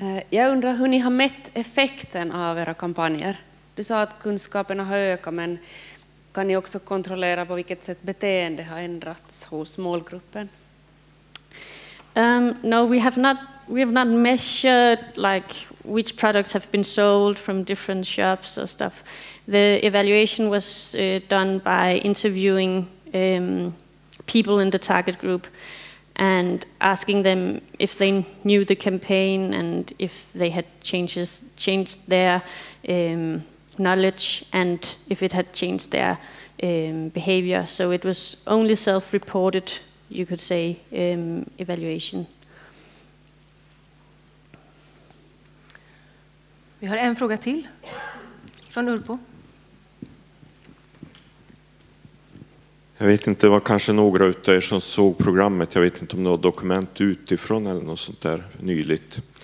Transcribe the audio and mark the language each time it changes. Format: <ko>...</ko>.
<sv>Jag undrar hur ni har mätt effekten av era kampanjer. Du sa att kunskaperna har ökat, men kan ni också kontrollera på vilket sätt beteende har ändrats hos målgruppen?</sv> <en>No, we have not measured like which products have been sold from different shops or stuff. The evaluation was done by interviewing people in the target group and asking them if they knew the campaign and if they had changed their knowledge and if it had changed their behavior. So it was only self-reported, you could say, evaluation.</en> <sv>Vi har en fråga till från Urpo. Jag vet inte, det var kanske några av er som såg programmet. Jag vet inte om det var dokument utifrån eller något sånt där nyligt.</sv>